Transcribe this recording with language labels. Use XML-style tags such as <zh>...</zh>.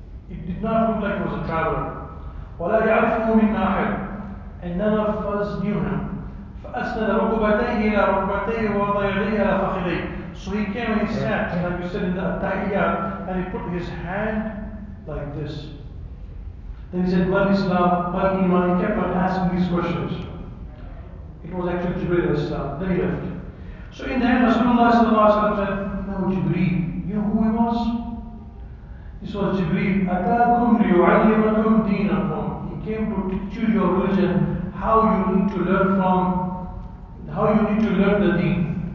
<en>It did not look like he was a traveler.</en> <ar>وَلَا يَعْرِفُهُ مِنَّا أَحَدٌ.</ar> <en>And none of us knew him.</en> <ar>فَأَسْنَدَ رُكُبَتَيْهِ إِلَى رُكْبَتَيْهِ وَوَضَعَ يَدَيْهِ عَلَىٰ فَخِذَيْهِ.</ar> <en>So he came and he sat, like we said in the At-Tahiyyat, and he put his hand like this. Then he said,</en> <ar>مَنْ إِسْلَامُ مَنْ إِيمَانِ.</ar> <en>He kept on asking these questions. It was actually Jibreel al-Islam. Then he left. So in the end, Rasulullah sallallahu alayhi wa sallam said, no, Jibreel. You know who he was? This was Jibreel.</en> <ar>أَتَاكُمْ لِيُعَلِّمَكُمْ دِينَكُمْ.</ar> <en>He came to teach you your religion, how you need to learn from, how you need to learn the deen.</en>